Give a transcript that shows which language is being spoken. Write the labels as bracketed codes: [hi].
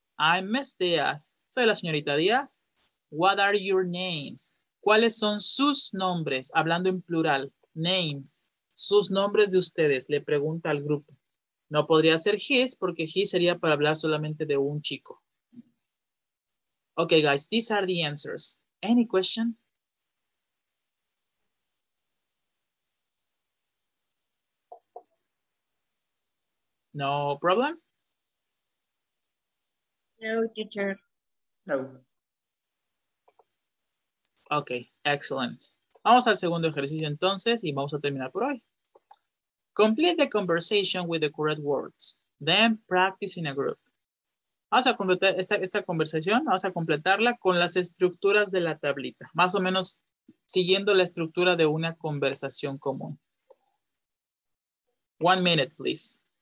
[en] I'm Miss Diaz. [es] Soy la señorita Diaz. [en] What are your names? [es] ¿Cuáles son sus nombres? Hablando en plural. Names. Sus nombres de ustedes, le pregunta al grupo. No podría ser his, porque his sería para hablar solamente de un chico. [en] Okay, guys, these are the answers. Any question? No problem? No, teacher. No. Okay, excellent. [es] Vamos al segundo ejercicio entonces y vamos a terminar por hoy. [en] Complete the conversation with the correct words. Then practice in a group. [es] Vamos a completar esta conversación, vamos a completarla con las estructuras de la tablita. Más o menos siguiendo la estructura de una conversación común. [en] One minute, please.